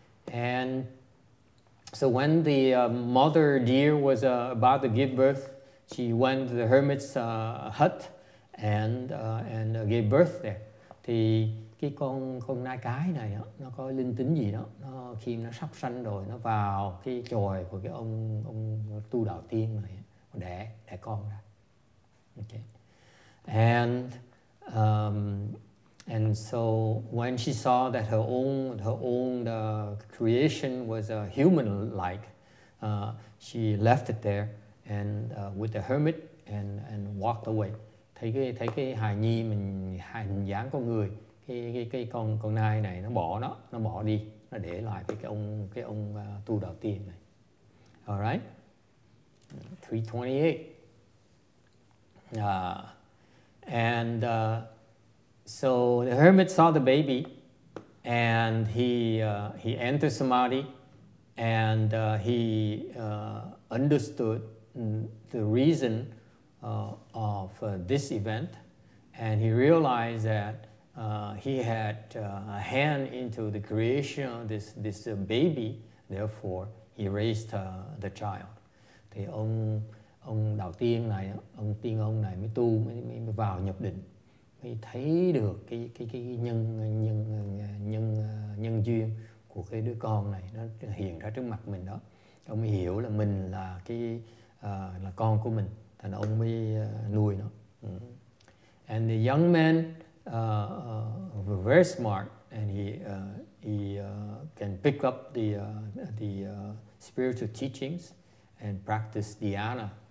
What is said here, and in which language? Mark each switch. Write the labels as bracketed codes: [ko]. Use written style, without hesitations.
[en] And so when the mother deer was about to give birth, she went to the hermit's hut and gave birth there. [vi] Thì cái con nai cái này đó, nó có linh tính gì đó, nó khi nó sắp sanh rồi nó vào cái chòi của cái ông tu đạo tiên này đẻ con ra. [en] Okay. And so when she saw that her own creation was a human like, she left it there and with the hermit and walked away. [vi] Thấy cái hài nhi mình hình dáng con người, cái con nai này nó bỏ đi, nó để lại cái ông tu đạo tiên này. [en] All right. 328. So the hermit saw the baby, and he entered samadhi, and he understood the reason of this event, and he realized that he had a hand into the creation of this baby. Therefore, he raised the child. [vi] Thì ông đầu tiên này, ông tiên ông này mới tu, mới vào nhập định. Mới thấy được cái nhân duyên của cái đứa con này nó hiện ra trước mặt mình đó. Ông mới hiểu là mình là là con của mình, thành ông mới nuôi nó. [en] And the young man was very smart, and he can pick up the spiritual teachings and practice dhyana.